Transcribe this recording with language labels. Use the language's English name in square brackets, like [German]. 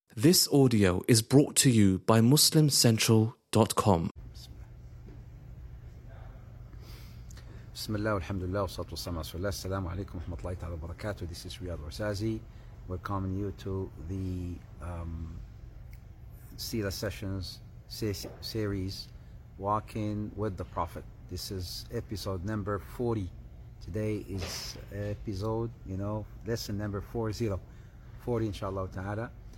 [English] This audio is brought to you by MuslimCentral.com. [Arabic] بسم الله والحمد لله والصلاة والسلام على رسول الله. السلام عليكم ورحمة الله تعالى وبركاته. [English] This is Riyad Rosazi. Welcoming you to the Seerah Sessions series, Walking with the Prophet. This is episode number 40. Today is episode, lesson number 40, inshallah ta'ala.